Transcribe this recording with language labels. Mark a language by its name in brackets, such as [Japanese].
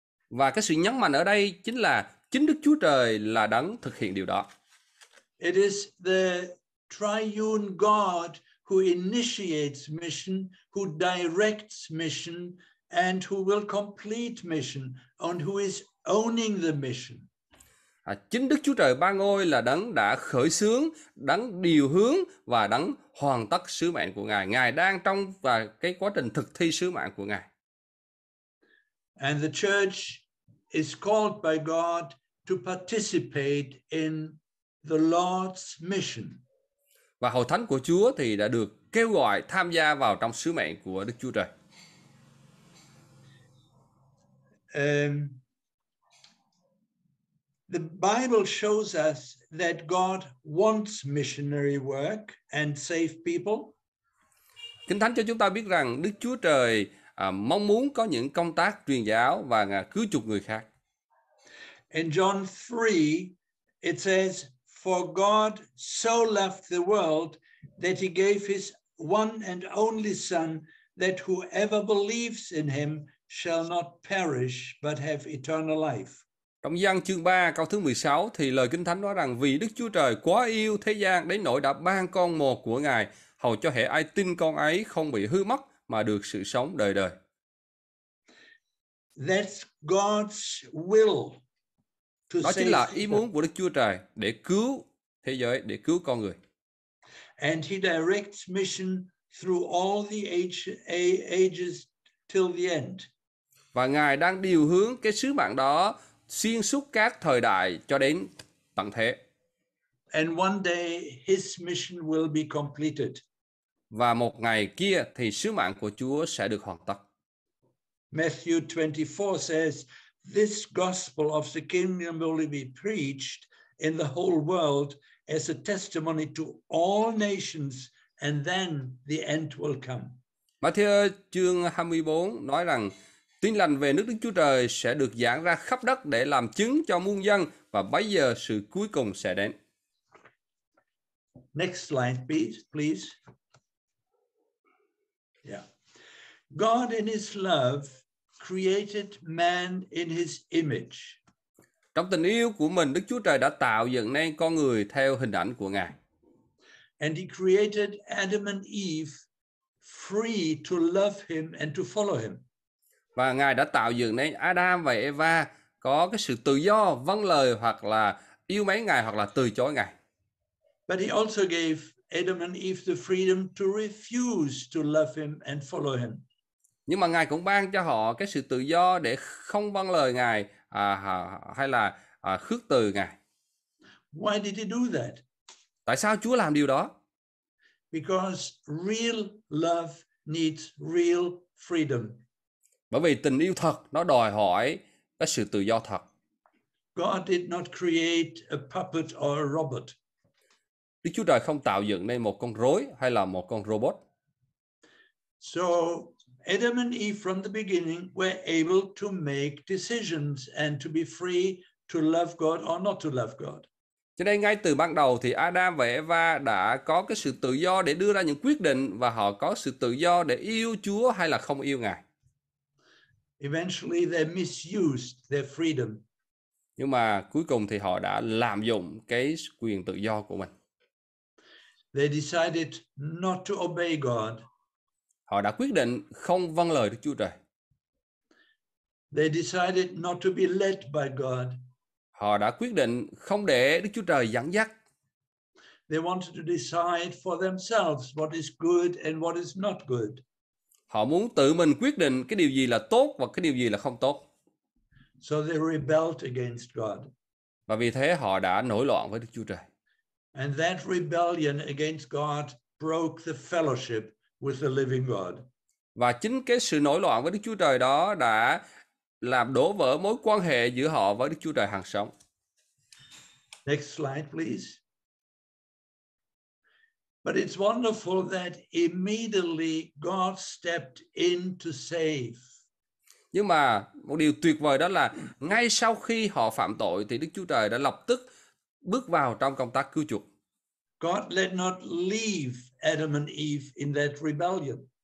[Vietnamese] Và cái sự nhấn mạnh ở đây chính là chính Đức Chúa Trời là đấng thực hiện điều đó. [English] It is the triune God who initiates mission, who directs mission, and who will complete mission, and who is owning the mission. [Vietnamese] Chính Đức Chúa Trời Ba Ngôi là đấng đã khởi xướng, đấng điều hướng và đấng hoàn tất sứ mệnh của Ngài. Ngài đang trong và cái quá trình thực thi sứ mạng của Ngài. [English] And the church is called by God to participate in the Lord's mission. [Vietnamese] Và hội thánh của Chúa thì đã được kêu gọi tham gia vào trong sứ mệnh của Đức Chúa Trời. [English] The Bible shows us that God wants missionary work and save people. [Vietnamese] Kinh Thánh cho chúng ta biết rằng Đức Chúa Trời mong muốn có những công tác truyền giáo và cứu chuộc người khác. [English] In John 3, it says, "For God so loved the world that he gave his one and only Son, that whoever believes in him shall not perish but have eternal life." [Vietnamese] Trong Giăng chương 3 câu thứ 16 thì lời Kinh Thánh nói rằng vì Đức Chúa Trời quá yêu thế gian đến nỗi đã ban con một của Ngài, hầu cho hễ ai tin con ấy không bị hư mất mà được sự sống đời đời. [English] That's God's will to [Vietnamese] Đó chính [English] save [Vietnamese] là ý muốn của Đức Chúa Trời để cứu thế giới, để cứu con người. [English] And he directs mission through all the ages till the end. [Vietnamese] Và Ngài đang điều hướng cái sứ mạng đó xuyên suốt các thời đại cho đến tận thế. [English] And one day his mission will be completed. [Vietnamese] Và một ngày kia thì sứ mạng của Chúa sẽ được hoàn tất. [English] Matthew 24 says, "This gospel of the kingdom will be preached in the whole world as a testimony to all nations, and then the end will come." [Vietnamese] Matthew chương 24 nói rằng Tin lành về nước Đức Chúa Trời sẽ được giảng ra khắp đất để làm chứng cho muôn dân và bấy giờ sự cuối cùng sẽ đến. [English] Next slide, please. Yeah. God in his love created man in his image. [Vietnamese] Trong tình yêu của mình, Đức Chúa Trời đã tạo dựng nên con người theo hình ảnh của Ngài. [English] And he created Adam and Eve free to love him and to follow him. [Vietnamese] Và Ngài đã tạo dựng nên Adam và Eva có cái sự tự do vâng lời hoặc là yêu mấy Ngài hoặc là từ chối Ngài. [English] But he also gave Adam and Eve the freedom to refuse to love him and follow him. [Vietnamese] Nhưng mà Ngài cũng ban cho họ cái sự tự do để không vâng lời Ngài hay là khước từ Ngài. [English] Why did he do that? [Vietnamese] Tại sao Chúa làm điều đó? [English] Because real love needs real freedom. [Vietnamese] Bởi vì tình yêu thật nó đòi hỏi cái sự tự do thật. [English] God did not create a puppet or a robot. [Vietnamese] Đức Chúa Trời không tạo dựng nên một con rối hay là một con robot. [English] So Adam and Eve from the beginning were able to make decisions and to be free to love God or not to love God. [Vietnamese] Cho nên ngay từ ban đầu thì Adam và Eva đã có cái sự tự do để đưa ra những quyết định và họ có sự tự do để yêu Chúa hay là không yêu Ngài. [English] Eventually they misused their freedom. [Vietnamese] Nhưng mà cuối cùng thì họ đã lạm dụng cái quyền tự do của mình. [English] They decided not to obey God. [Vietnamese] Họ đã quyết định không vâng lời Đức Chúa Trời. [English] They decided not to be led by God. [Vietnamese] Họ đã quyết định không để Đức Chúa Trời dẫn dắt. [English] They wanted to decide for themselves what is good and what is not good. [Vietnamese] Họ muốn tự mình quyết định cái điều gì là tốt và cái điều gì là không tốt. [English] So they rebelled against God. [Vietnamese] Và vì thế họ đã nổi loạn với Đức Chúa Trời. [English] And that rebellion against God broke the fellowship with the living God. [Vietnamese] Và chính cái sự nổi loạn với Đức Chúa Trời đó đã làm đổ vỡ mối quan hệ giữa họ với Đức Chúa Trời hằng sống. [English] Next slide, please. But it's wonderful that immediately God stepped in to save. [Vietnamese] Nhưng mà một điều tuyệt vời đó là ngay sau khi họ phạm tội thì Đức Chúa Trời đã lập tức bước vào trong công tác cứu chuộc. [English] God let not leave Adam and Eve in that rebellion.